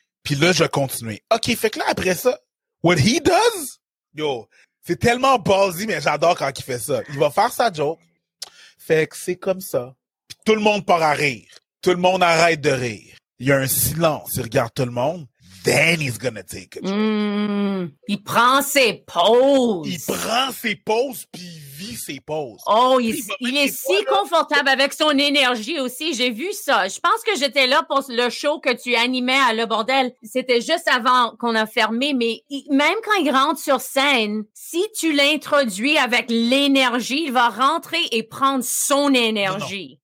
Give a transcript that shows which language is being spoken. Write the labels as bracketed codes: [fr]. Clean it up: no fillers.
[fr] Puis là, je vais continuer. OK, fait que là, après ça, [en] what he does, [fr] yo, c'est tellement ballsy, mais j'adore quand il fait ça. Il va faire sa joke, fait que c'est comme ça. Puis tout le monde part à rire. Tout le monde arrête de rire. Il y a un silence. Il regarde tout le monde. [en] Then he's gonna take a joke. [fr] Il prend ses pauses. Il prend ses pauses, puis il vit ses pauses. Oh, il est si confortable avec son énergie aussi. J'ai vu ça. Je pense que j'étais là pour le show que tu animais à Le Bordel. C'était juste avant qu'on a fermé, mais même quand il rentre sur scène, si tu l'introduis avec l'énergie, il va rentrer et prendre son énergie.